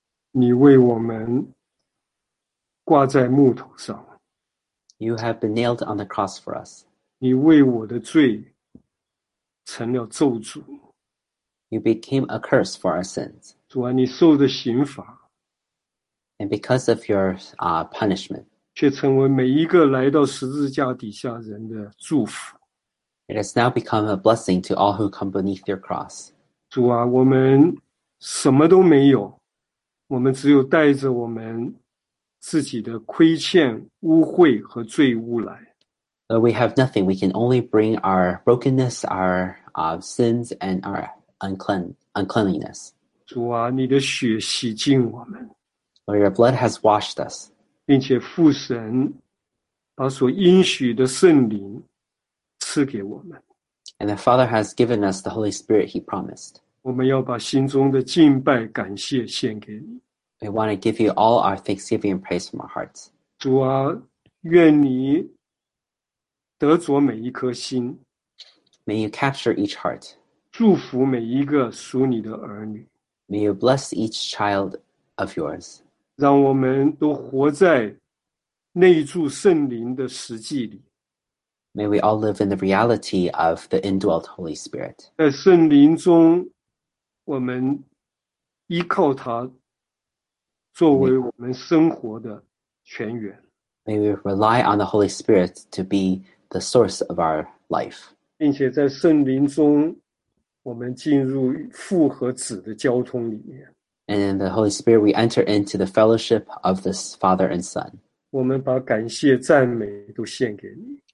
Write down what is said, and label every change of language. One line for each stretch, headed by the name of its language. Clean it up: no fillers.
Chinese: 你为我们挂在木头上。
English: You have been nailed on the cross for us.
Chinese: 你为我的罪成了咒诅。
English: You became a curse for our sins.
Chinese: 主啊，你受的刑罚。
English: And because of your punishment,
Chinese: 却成为每一个来到十字架底下人的祝福。
English: It has now become a blessing to all who come beneath your cross.
Chinese: 主啊，我们什么都没有，我们只有带着我们自己的亏欠、污秽和罪污来。
English: We have nothing. We can only bring our brokenness, our sins, and our uncleanliness.
Chinese: 主啊，你的血洗净我们。
English: Lord, your blood has washed us.
Chinese: 并且父神把所应许的圣灵赐给我们。
English: And the Father has given us the Holy Spirit he promised.
Chinese: 我们要把心中的敬拜感谢献给你。
English: We want to give you all our thanksgiving and praise from our hearts.
Chinese: 主啊，愿你得着每一颗心。
English: May you capture each heart.
Chinese: 祝福每一个属你的儿女。
English: May you bless each child of yours.
Chinese: 让我们都活在内住圣灵的实际里。
English: May we all live in the reality of the indwelt Holy Spirit.
Chinese: 在圣灵中，我们依靠他作为我们生活的泉源。
English: May we rely on the Holy Spirit to be the source of our life.
Chinese: 并且在圣灵中，我们进入父和子的交通里面。
English: And in the Holy Spirit, we enter into the fellowship of the Father and Son.
Chinese: 我们把感谢赞美都献给你。